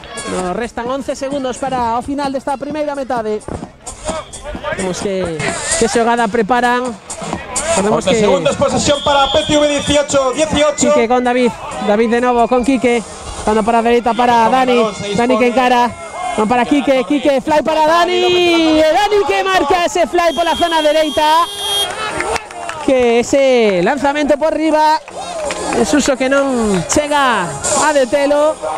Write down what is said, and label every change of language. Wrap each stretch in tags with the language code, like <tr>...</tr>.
<es>Nos restan 11 segundos para el final de esta primera mitad.</es> <gl>Vemos que xogada preparan.</gl> <es>11 segundos, posesión para PTV 18-18. Quique con David. David de nuevo con Quique. Dando para derecha para Dani. Dani que encara. Van para Quique. Quique, fly para Dani. Dani que marca ese fly por la zona derecha. que ese lanzamiento por arriba, el Suso que no llega a detelo.</es>